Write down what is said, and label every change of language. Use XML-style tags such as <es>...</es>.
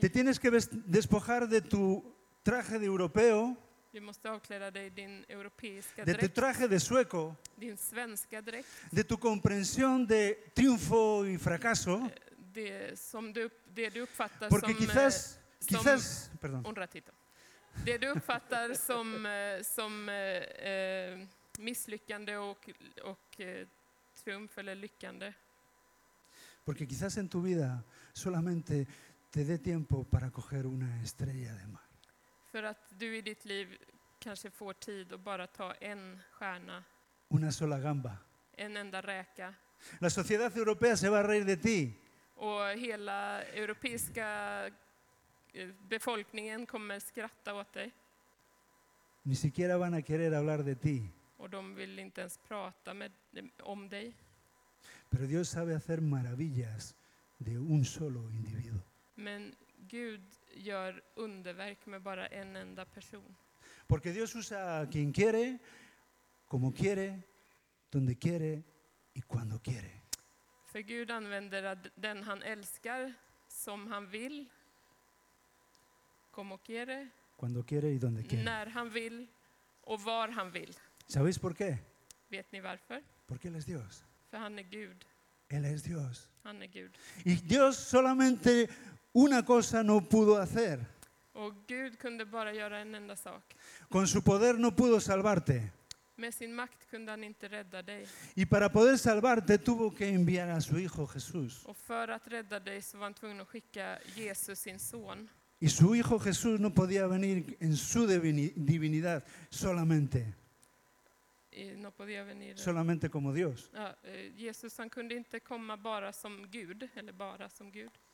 <es>Te tienes que despojar de tu traje de europeo.</es> <sv>Du måste avkläda dig din europeiska</sv> <es>de</es> <sv>dräkt.</sv> <es>De tu traje de sueco.</es> <sv>Din svenska dräkt.</sv> <es>De tu comprensión de triunfo y fracaso.</es> <sv>Det du uppfattar</sv> <es>porque</es> <sv>som</sv> <es>quizás, quizás, perdón. Un ratito.</es> <sv>Det du uppfattar som misslyckande och triumf eller lyckande.</sv> <es>Porque quizás en tu vida solamente te dé tiempo para coger una estrella de mar.</es> <sv>För att du i ditt liv kanske får tid att bara ta en stjärna.</sv> <es>Una sola gamba.</es> <sv>En enda räka.</sv> <es>La sociedad europea se va a reír de ti.</es> <sv>Och hela europeiska befolkningen kommer skratta åt dig.</sv> <es>Ni siquiera van a querer hablar de ti.</es> <sv>Och de vill inte ens prata om dig.</sv> <es>Pero Dios sabe hacer maravillas de un solo individuo.</es> <sv>Men Gud gör underverk med bara en enda person.</sv> <es>Porque Dios usa a quien quiere, como quiere, donde quiere y cuando quiere.</es> <sv>För Gud använder den han älskar som han vill.</sv> <es>Como quiere. Cuando quiere y donde quiere.</es> <sv>När han vill och var han vill.</sv> <es>¿Sabéis por qué?</es> <sv>Vet ni varför?</sv> <es>Porque él es Dios.</es> <sv>För han är Gud.</sv> <es>Él es Dios.</es> <sv>Han är Gud.</sv> <es>Y Dios solamente una cosa no pudo hacer.</es> <sv>Och Gud kunde bara göra en enda sak.</sv> <es>Con su poder no pudo salvarte.</es> <sv>Med sin makt kunde han inte rädda dig.</sv> <es>Y para poder salvarte tuvo que enviar a su hijo Jesús.</es> <sv>Och för att rädda dig så var han tvungen att skicka Jesus, sin son.</sv> <es>Y su hijo Jesús no podía venir en su divinidad solamente. No podía venir. Solamente como Dios.</es> <sv>Ja, Jesus, han kunde inte komma bara som Gud eller bara som Gud.</sv>